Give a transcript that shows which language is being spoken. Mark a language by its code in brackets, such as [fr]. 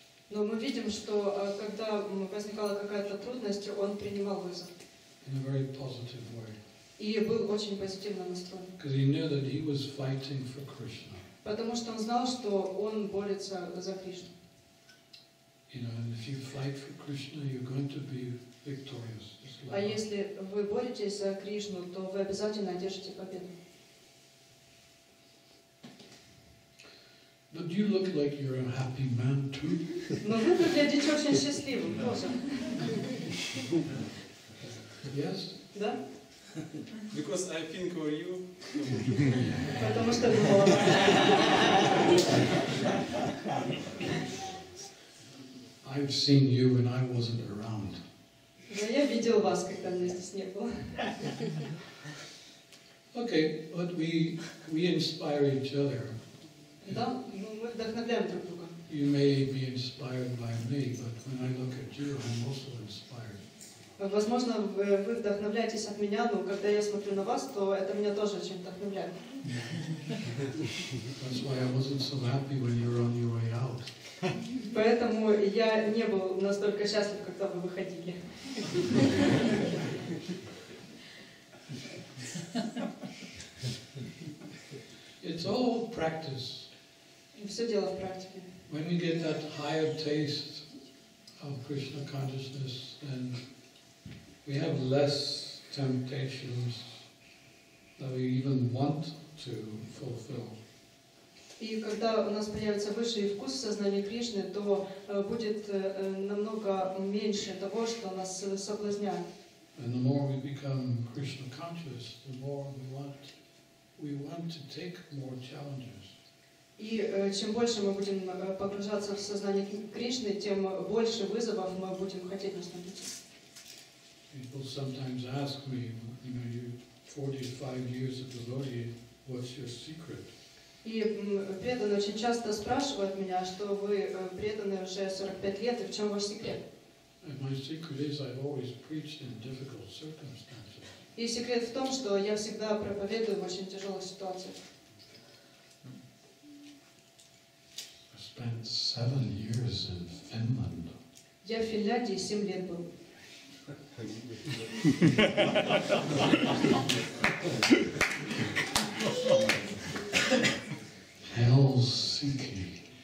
[ru] Но мы видим, что когда возникала какая-то трудность, он принимал вызов. [en] In a very positive way. [ru] И был очень позитивно настроен. [en] Because he knew that he was fighting for Krishna. [ru] Потому что он знал, что он борется за Кришну. [en] You know, and if you fight for Krishna, you're going to be victorious. [ru] А если вы боретесь за Кришну, то вы обязательно одержите победу. [en] But you look like you're a happy man too. [ru] Но вы выглядите очень счастливым, тоже. [en] Yes? [ru] Да. [en] Because I think of you. [ru] Потому что думала. [en] I've seen you when I wasn't around. [ru] Да, я видел вас, когда меня здесь не было. [en] Okay, but we inspire each other. [ru] Да, мы вдохновляем друг друга. [en] You may be inspired by me, but when I look at you, I'm also inspired. [ru] Возможно, вы вдохновляетесь от меня, но когда я смотрю на вас, то это меня тоже очень вдохновляет. [en] That's why I wasn't so happy when you were on your way out. [ru] Поэтому я не был настолько счастлив, когда вы выходили. [en] It's all practice. [ru] И все дело в практике. [en] When you get that higher taste of Krishna consciousness, then we have less temptations that we even want to fulfill. [ru] И когда у нас появится высший вкус сознания Кришны, то будет намного меньше того, что нас соблазняет. [en] And the more we become Krishna conscious, the more we want to take more challenges. [ru] И чем больше мы будем погружаться в сознание Кришны, тем больше вызовов мы будем хотеть наступить. [en] People sometimes ask me, you know, you 45 years of devotee, what's your secret? [ru] И преданные очень часто спрашивают меня, что вы преданные уже 45 лет, и в чем ваш секрет? [en] And my secret is I always preach in difficult circumstances. [ru] И секрет в том, что я всегда проповедую в очень тяжелых ситуациях. [en] I spent 7 years in Finland. [ru] Я в Финляндии 7 лет был. [en] Helsinki.